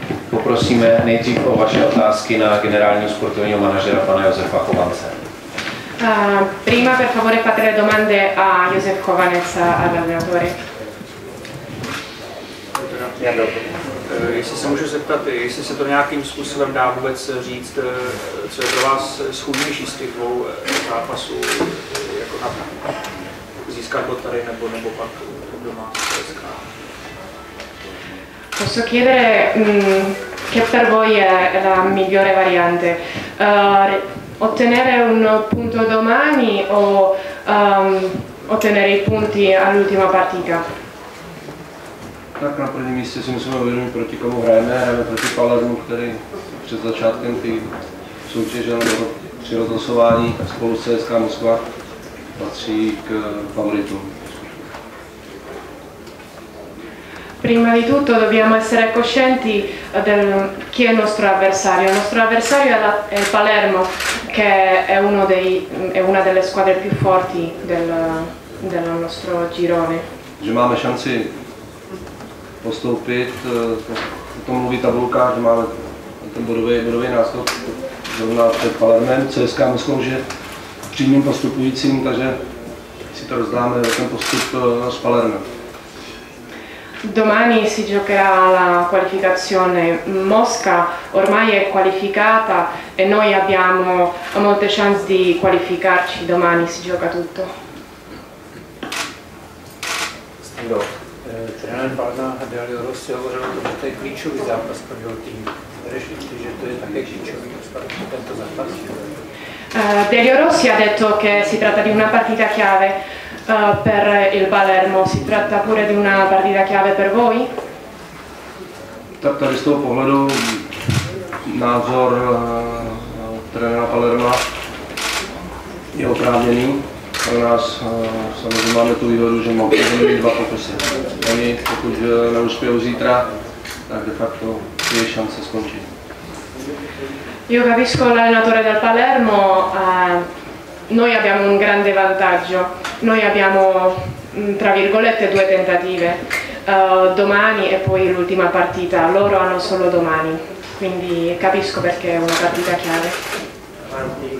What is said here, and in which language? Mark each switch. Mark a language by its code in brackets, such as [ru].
[cs] Poprosíme nejdřív o vaše otázky na generálního sportovního manažera pana Josefa Kovance. [it] Prima per favore fate le domande a Josef Kovanec, all'allenatore. [cs] Jestli se můžu zeptat, jestli se to nějakým způsobem dá vůbec říct, co je pro vás schůdnější z těch dvou zápasů, jako na získat bod tady nebo pak doma CSK. [it] Posso chiedere che per voi è la migliore variante? Ottenere un punto domani o ottenere i punti all'ultima partita? [cs] Tak na prvním místě si musíme uvědomit, proti komu hrajeme. Hrajeme proti Palermu, který před začátkem té soutěže nebo při rozhlasování spolu s CSKA Moskva patří k favoritům. [it] Prima di tutto dobbiamo essere coscienti di chi è il nostro avversario. Il nostro avversario è Palermo, che è una delle squadre più forti del nostro girone. [cs] Že máme šanci postoupit, o tom mluví tabulka, že máme ten bodový náskok zrovna před Palermem, CSKA Moskva už je přímým postupujícím, takže si to rozdáme, ten postup s Palermem. [it] Domani si giocherà la qualificazione. Mosca ormai è qualificata e noi abbiamo molte chance di qualificarci. Domani si gioca tutto. [cs] Stando, trenér Barna a Dario Rossi hovořil o tom, že to je klíčový zápas pro jeho tým. Řekli jste, že to je také klíčový zápas pro tento zápas? [it] Dario Rossi ha detto che si tratta di una partita chiave per il Palermo. Si tratta pure di una partita chiave per voi? [cs] Tak tady z toho pohledu názor trenéra Palerma je oprávněný. Pro nás samozřejmě máme tu výhodu, že máme mít dva pokusy. Oni, pokud neuspějí zítra, tak de facto je šance skončit. [it] Io capisco l'allenatore del Palermo, noi abbiamo un grande vantaggio, noi abbiamo tra virgolette due tentative, domani e poi l'ultima partita, loro hanno solo domani, quindi capisco perché è una partita chiave.